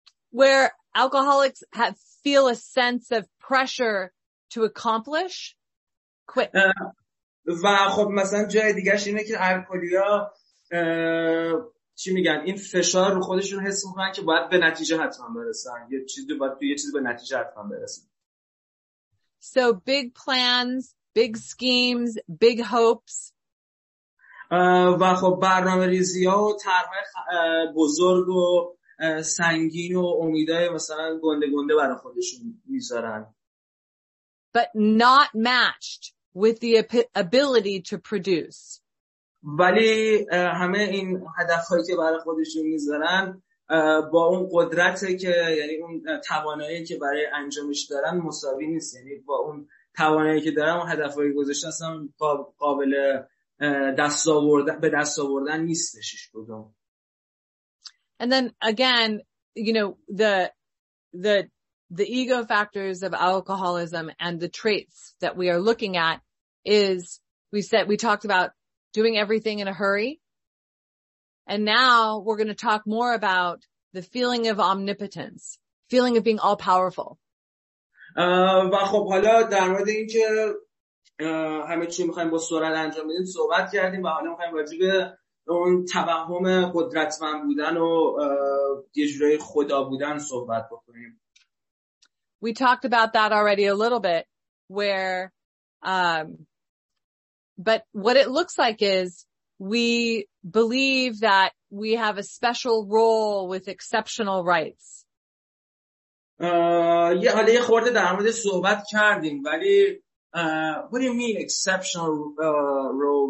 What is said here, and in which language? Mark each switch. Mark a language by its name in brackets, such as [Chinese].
[English] Where alcoholics feel a sense of pressure to accomplish? Quit. [Persian] و خب مثلا جای دیگرش اینه که الکلیا چی میگن این فشار رو خودشون حس میکنن که باید به نتیجه حتما برسن، یه چیزی باید یه چیز به نتیجه حتما برسن. [English] So big plans, big schemes, big hopes. [Persian] و خب برنامه ریزی ها و طرح بزرگ و سنگین و امیدهای مثلا گنده گنده برای خودشون میذارن. [English] But not matched with the ability to produce. [Persian] ولی همه این هدفهایی که برای خودشون میذارن با اون قدرتی که یعنی اون توانایی که برای انجامش دارن مساوی نیست، یعنی با اون توانایی که دارن اون هدفهایی گذاشتن اصلا قابل دست آوردن به دست آوردن نیستش کدوم. [English] And then again, you know, the ego factors of alcoholism and the traits that we are looking at is we talked about doing everything in a hurry, and now we're going to talk more about the feeling of omnipotence, feeling of being all powerful. [Persian] و خب حالا در مورد اینکه همه چی می‌خوایم با سرعت انجام بدیم صحبت کردیم و حالا می‌خوایم راجع به اون توهم قدرتمند بودن و یه جورای خدا بودن صحبت بکنیم. [English] We talked about that already a little bit, where, but what it looks like is we believe that we have a special role with exceptional rights. Yeah, [Persian] حالا یه خورده در مورد صحبت کردیم ولی [English] what do you mean exceptional role?